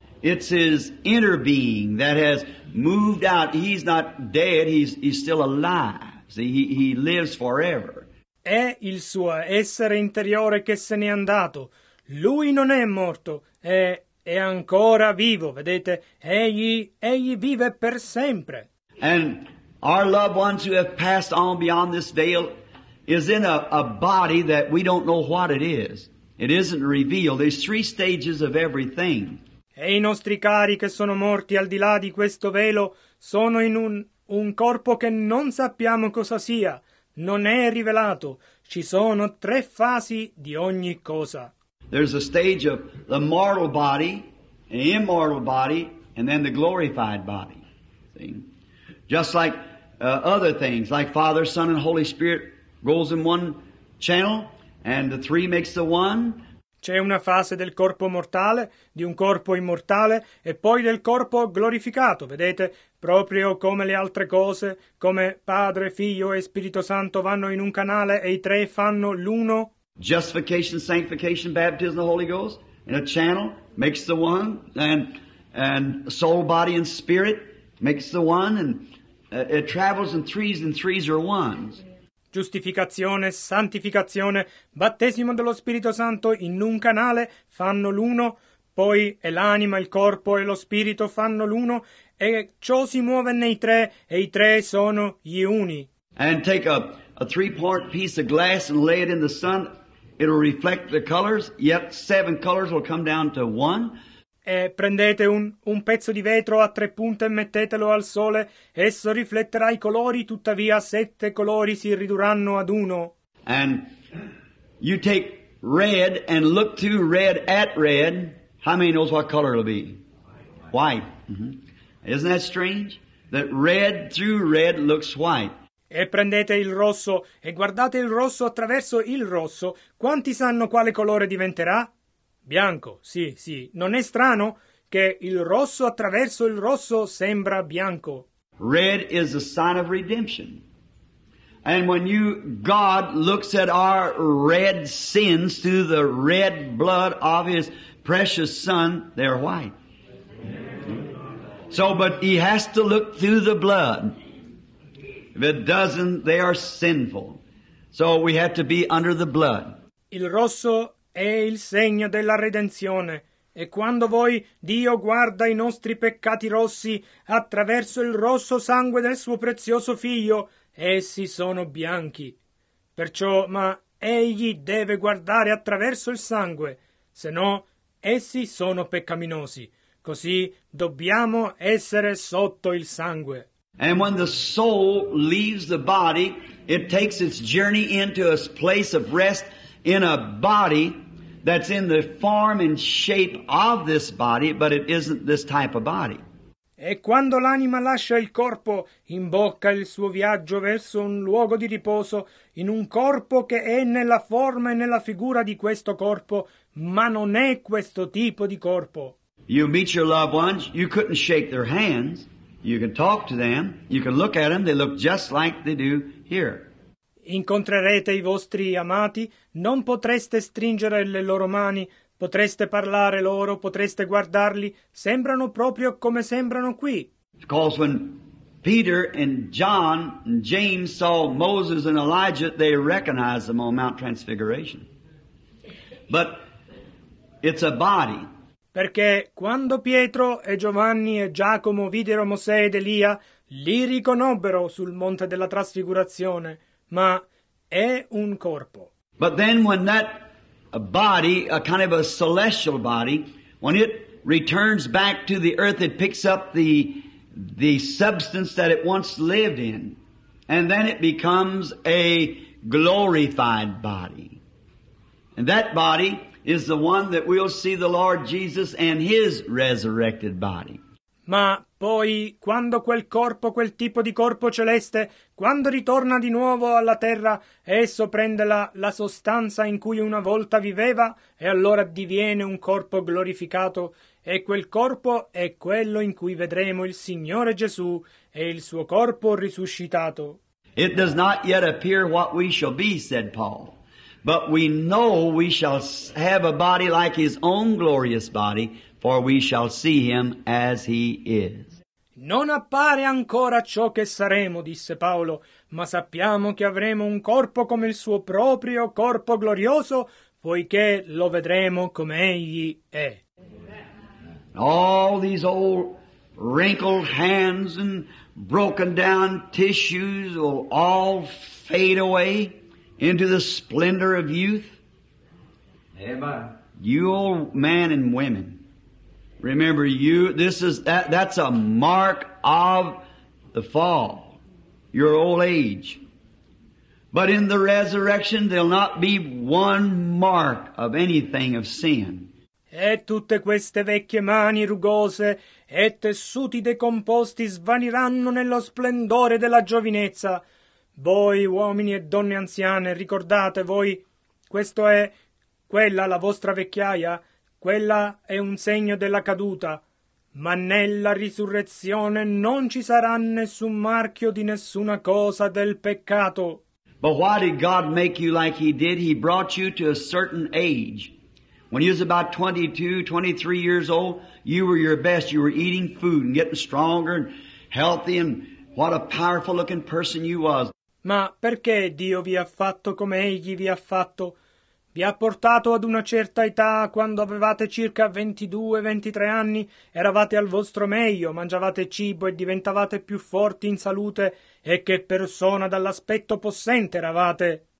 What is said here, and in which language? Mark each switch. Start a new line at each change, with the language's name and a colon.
English: It's his inner being that has moved out. He's not dead. He's still alive. See, he lives forever.
Italian: È il suo essere interiore che se n'è andato. Lui non è morto, è ancora vivo, vedete? Egli vive per sempre.
English: And our loved ones who have passed on beyond this veil is in a body that we don't know what it is. It isn't revealed. There's three stages of everything.
Italian: E i nostri cari che sono morti al di là di questo velo sono in un corpo che non sappiamo cosa sia. Non è rivelato. Ci sono tre fasi di ogni cosa.
English: There's a stage of the mortal body, the immortal body, and then the glorified body. See? Just like other things, like Father, Son, and Holy Spirit goes in one channel, and the three makes the one.
Italian: C'è una fase del corpo mortale, di un corpo immortale, e poi del corpo glorificato, vedete? Proprio come le altre cose, come Padre, Figlio e Spirito Santo vanno in un canale e i tre fanno l'uno.
English: Justification, sanctification, baptism of the Holy Ghost in a channel makes the one, and soul, body, and spirit makes the one, and it travels in threes, and threes are ones.
Italian: Giustificazione, santificazione, battesimo dello Spirito Santo in un canale fanno l'uno, poi è l'anima, il corpo e lo spirito fanno l'uno, e ciò si muove nei tre, e i tre sono gli uni.
English: And take a three-part piece of glass and lay it in the sun. It'll reflect the colors, yet seven colors will come down to one.
Italian: E prendete un pezzo di vetro a tre punte e mettetelo al sole. Esso rifletterà i colori, tuttavia sette colori si ridurranno ad uno.
English: And you take red and look to red at red. How many knows what color it'll be? White. Mm-hmm. Isn't that strange? That red through red looks white.
Italian: E prendete il rosso e guardate il rosso attraverso il rosso. Quanti sanno quale colore diventerà? Bianco, sì, sì. Non è strano che il rosso attraverso il rosso sembra bianco.
English: Red is a sign of redemption. And when you, God looks at our red sins through the red blood of His precious Son, they're white. So, but He has to look through the blood. If it doesn't, they are sinful. So we have to be under the blood.
Italian: Il rosso è il segno della redenzione. E quando voi, Dio guarda i nostri peccati rossi attraverso il rosso sangue del suo prezioso figlio, essi sono bianchi. Perciò, ma egli deve guardare attraverso il sangue, se no essi sono peccaminosi. Così dobbiamo essere sotto il sangue.
English: And when the soul leaves the body, it takes its journey into a place of rest in a body that's in the form and shape of this body, but it isn't this type of body.
Italian: E quando l'anima lascia il corpo, imbocca il suo viaggio verso un luogo di riposo in un corpo che è nella forma e nella figura di questo corpo, ma non è questo tipo di corpo.
English: You meet your loved ones, you couldn't shake their hands. You can talk to them, you can look at them, they look just like they do here.
Italian: Incontrerete i vostri amati, non potreste stringere le loro mani, potreste parlare loro, potreste guardarli, sembrano proprio come sembrano qui.
English: Because when Peter and John and James saw Moses and Elijah, they recognized them on Mount Transfiguration. But it's a body.
Italian: Perché quando Pietro e Giovanni e Giacomo videro Mosè ed Elia, li riconobbero sul monte della trasfigurazione, ma è un corpo.
English: But then when that body, a kind of a celestial body, when it returns back to the earth, it picks up the substance that it once lived in, and then it becomes a glorified body. And that body is the one that we'll see the Lord Jesus and His resurrected body.
Italian: Ma poi, quando quel corpo, quel tipo di corpo celeste, quando ritorna di nuovo alla terra, esso prende la sostanza in cui una volta viveva, e allora diviene un corpo glorificato, e quel corpo è quello in cui vedremo il Signore Gesù e il suo corpo risuscitato.
English: It does not yet appear what we shall be, said Paul. But we know we shall have a body like his own glorious body, for we shall see him as he is.
Italian: Non appare ancora ciò che saremo, disse Paolo, ma sappiamo che avremo un corpo come il suo proprio corpo glorioso, poiché lo vedremo come egli è.
English: All these old wrinkled hands and broken down tissues will all fade away into the splendor of youth. Amen. You old man and women, remember you, this is that, that's a mark of the fall, your old age. But in the resurrection there'll not be one mark of anything of sin.
Italian: E tutte queste vecchie mani rugose e tessuti decomposti svaniranno nello splendore della giovinezza. Voi, uomini e donne anziane, ricordate voi, questo è quella la vostra vecchiaia, quella è un segno della caduta, ma nella risurrezione non ci sarà nessun marchio di nessuna cosa del peccato.
English: But why did God make you like he did? He brought you to a certain age. When you was about 22, 23 years old, you were your best, you were eating food and getting stronger and healthy, and what a powerful looking person you was.
Italian: Ma perché Dio vi ha fatto come Egli vi ha fatto? Vi ha portato ad una certa età, quando avevate circa 22-23 anni, eravate al vostro meglio, mangiavate cibo e diventavate più forti in salute, e che persona dall'aspetto possente eravate.